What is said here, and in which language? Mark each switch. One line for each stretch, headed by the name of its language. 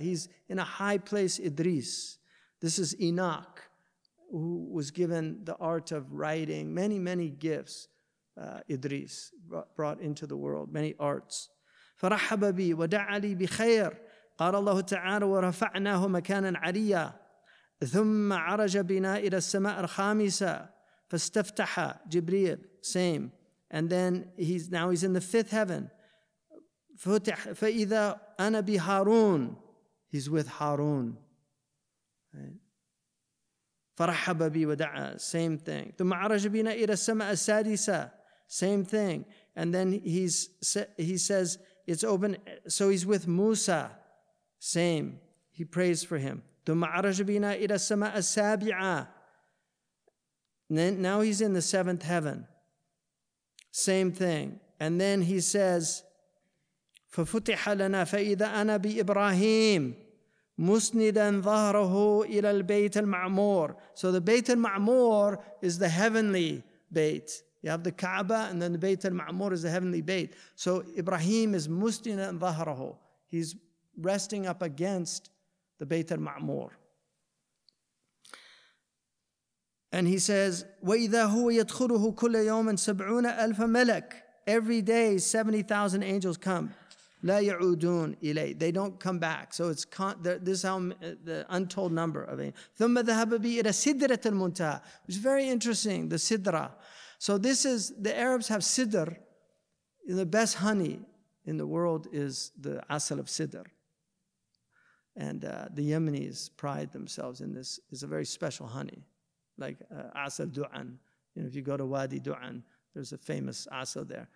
English: He's in a high place, Idris. This is Enoch, who was given the art of writing, many, many gifts, Idris, brought into the world, many arts.
Arabic: فَرَحَبَ بِي وَدَعَ لِي بِخَيْرٍ قَالَ اللَّهُ تَعَالَى وَرَفَعْنَاهُ مَكَانًا عَلِيًّا ثُمَّ عَرَجَ بِنَا إِلَى السَّمَاءِ الْخَامِسَةِ فَاسْتَفْتَحَ جِبْرِيلُ.
English: Same. And then he's in the fifth heaven.
Arabic: فتح فإذا أنا بهارون,
English: he's with
Arabic: هارون, فرحب بي ودعا,
English: same thing.
Arabic: ثم عرج بنا إلى السماء السادسة,
English: same thing. And then he says it's open, so he's with موسى, same, he prays for him.
Arabic: ثم عرج بنا إلى السماء السابعة,
English: now he's in the seventh heaven, same thing. And then he says
Arabic: فَفُتِحَ لَنَا فَإِذَا أَنَا بِإِبْرَاهِيمِ مُسْنِدًا ظَهْرَهُ إِلَى الْبَيْتِ الْمَعْمُورِ.
English: So the Bayt al-Ma'mur is the heavenly Bayt. You have the Kaaba, and then the Bayt al-Ma'mur is the heavenly Bayt. So Ibrahim is
Arabic: مُسْنِدًا ظَهْرَهُ.
English: He's resting up against the Bayt al-Ma'mur. And he says,
Arabic: وَإِذَا هُوَ يَدْخُلُهُ كُلَّ يَوْمٍ سَبْعُونَ أَلْفَ مَلَكٍ.
English: Every day 70,000 angels come.
Arabic: لا يعودون إلي.
English: They don't come back. So it's this is how the untold number of them.
Arabic: ثم ذهب بي إلى سدرة المنتهى.
English: It's very interesting, the sidra. So this is, the Arabs have sidr. The best honey in the world is the asal of sidr. And the Yemenis pride themselves in this. It's a very special honey. Like asal du'an. You know, if you go to Wadi du'an, there's a famous asal there.